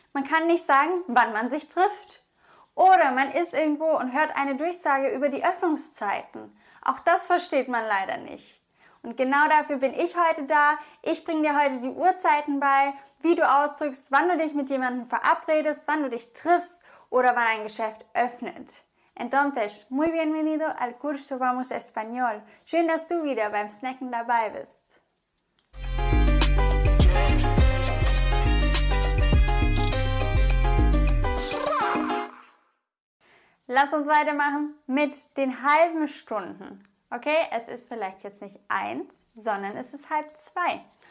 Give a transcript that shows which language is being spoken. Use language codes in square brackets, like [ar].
[de] Man kann nicht sagen, wann man sich trifft. Oder man ist irgendwo und hört eine Durchsage über die Öffnungszeiten. Auch das versteht man leider nicht. Und genau dafür bin ich heute da. Ich bringe dir heute die Uhrzeiten bei, wie du ausdrückst, wann du dich mit jemandem verabredest, wann du dich triffst oder wann ein Geschäft öffnet. [es] Entonces, muy bienvenido al curso Vamos Español. [de] Schön, dass du wieder beim Snacken dabei bist. Lass uns weitermachen mit den halben Stunden. Okay, es ist vielleicht jetzt nicht eins, sondern es ist halb zwei.